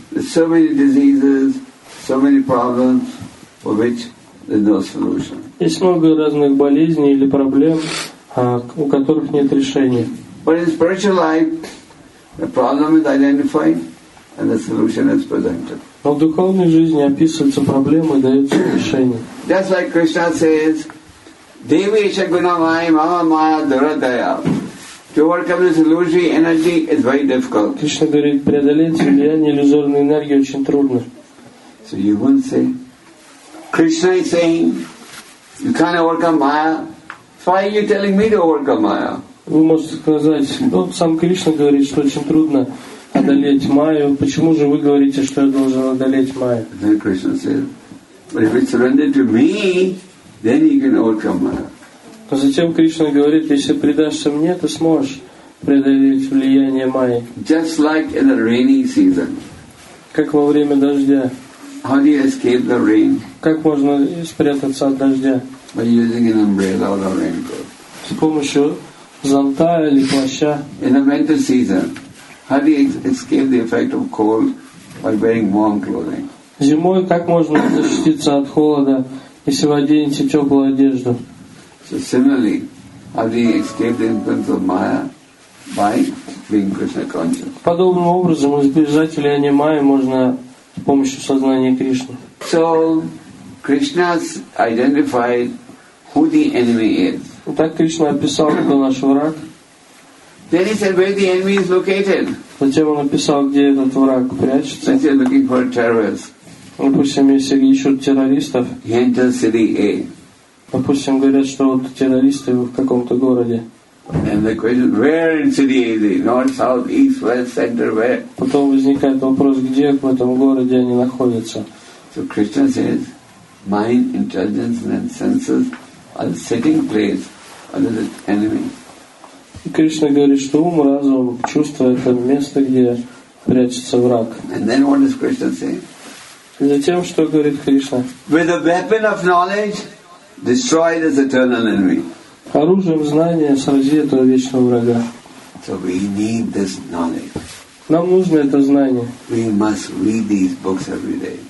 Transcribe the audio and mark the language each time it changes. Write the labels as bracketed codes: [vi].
[en] So many diseases, so many problems, for which there's no solution. [ru] Есть много разных болезней или проблем, у которых нет решения. [en] But in spiritual life, the problem is identified and the solution is presented. [ru] Но в духовной жизни описываются проблемы и даются решения. [en] Just like Krishna says, Devesha Gunamaya Mama Maya Duradaya. To overcome this illusory energy is very difficult. [ru] Кришна говорит, преодолеть влияние иллюзорной энергии очень трудно. [en] So you won't say. Krishna is saying, you can't overcome Maya. Why are you telling me to overcome Maya? [ru] Вы можете сказать, ну, сам Кришна говорит, что очень трудно одолеть Майю. Почему же вы говорите, что я должен одолеть Майю? [en] Then Krishna said, but if it's surrendered to me, then you can overcome Maya. [ru] А затем Кришна говорит, если предашься мне, ты сможешь преодолеть влияние Майи. [en] Just like in the rainy season. [ru] Как во время дождя. [en] How do you escape the rain? [ru] Как можно спрятаться от дождя? [en] By using an umbrella or a raincoat. [ru] С помощью зонта или плаща. [en] In the winter season, how do you escape the effect of cold by wearing warm clothing? [ru] Зимой как можно защититься от холода, если вы оденете теплую одежду? [en] So similarly, how do you escape the influence of Maya by being Krishna conscious? [ru] Подобным образом избежать влияния Майи можно с помощью сознания Кришны. [en] So Krishna identified who the enemy is. [ru] Так Кришна описал, кто наш враг. [en] Then he said where the enemy is located. [ru] Затем он описал, где этот враг прячется. [en] Since he's looking for terrorists. [ru] Допустим, если ищут террористов. [en] He enters city A. [ru] Допустим, говорят, что вот террористы в каком-то городе. [en] And the question, where in city is he? North, south, east, west, center, where? [ru] Потом возникает вопрос, где в этом городе они находятся. [en] So Krishna says, mind, intelligence and senses are the sitting place under the enemy. [ru] И Кришна говорит, что ум, разум, чувство — это место, где прячется враг. [en] And then what does Krishna say? [ru] И затем что говорит Кришна? [en] With the weapon of knowledge, destroy this eternal enemy. [ru] Оружием знания срази этого вечного врага. [en] So we need this knowledge. [ru] Нам нужно это знание. [en] We must read these books every day.